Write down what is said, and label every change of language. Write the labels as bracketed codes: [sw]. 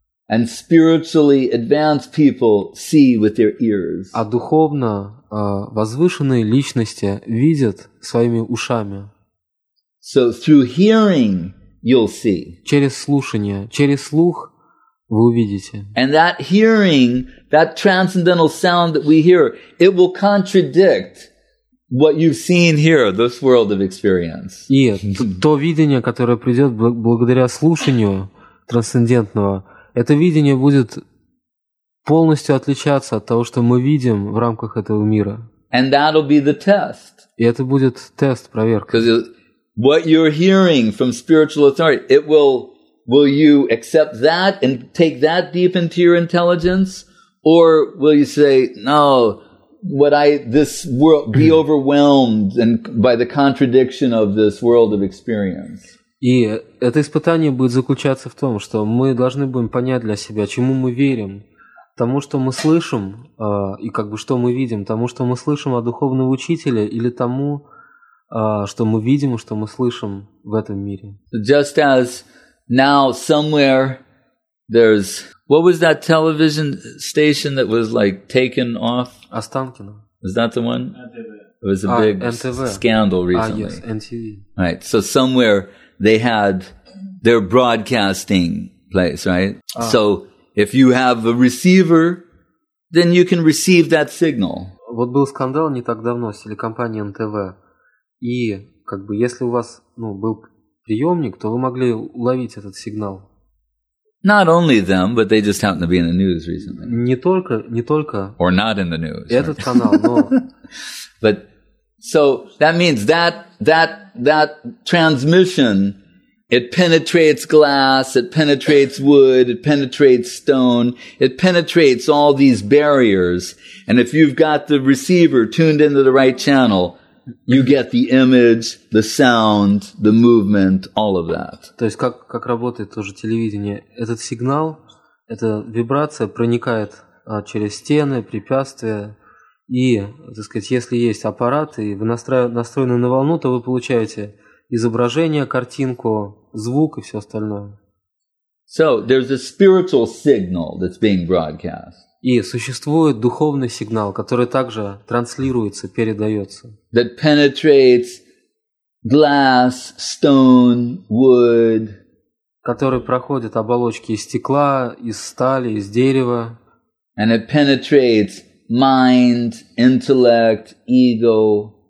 [en] And spiritually advanced people see with their ears. [ru] А духовно возвышенные личности видят своими ушами. [en] So through hearing you'll see. [ru] Через слушание, через слух вы увидите. [en] And that hearing, that transcendental sound that we hear, it will contradict what you've seen here, this world of experience. [ru] И то видение, которое придет благодаря слушанию трансцендентного, это видение будет полностью отличаться от того, что мы видим в рамках этого мира. [en] And that'll be the test. [ru] И это будет тест, проверка. [en] What you're hearing from spiritual authority, it will you accept that and take that deep into your intelligence, or will you say no? What I this world be overwhelmed and by the contradiction of this world of experience. [ru] И это испытание будет заключаться в том, что мы должны будем понять для себя, чему мы верим, тому, что мы слышим, и как бы что мы видим, тому, что мы слышим от духовного учителя, или тому, что мы видим, что мы слышим в этом мире. [en] Just as now somewhere there's what was that television station that was like taken off? [ru] Останкино. [en] Is that the one? NTV. It was a big NTV. Scandal recently. Yes, NTV. Right. So somewhere they had their broadcasting place, right? So if you have a receiver, then you can receive that signal. [ru] Вот был скандал не так давно с телекомпанией НТВ. И как бы если у вас ну, был приемник, то вы могли уловить этот сигнал. [en] Not only them, but they just happened to be in the news recently. [ru] Не только. [en] Or not in the news. [ru] Этот [en] right? [ru] канал, но. [en] But so that means that transmission, it penetrates glass, it penetrates wood, it penetrates stone, it penetrates all these barriers. And if you've got the receiver tuned into the right channel, you get the image, the sound, the movement, all of that. [ru] То есть как работает тоже телевидение? Этот сигнал, эта вибрация проникает через стены, препятствия, и, так сказать, если есть аппарат и вы настроены на волну, то вы получаете изображение, картинку, звук и все остальное. [en] So there's a spiritual signal that's being broadcast. [ru] И существует духовный сигнал, который также транслируется, передается. [en] That penetrates glass, stone, wood. [ru] Который проходит оболочки из стекла, из стали, из дерева. [en] And it penetrates mind, intellect, ego.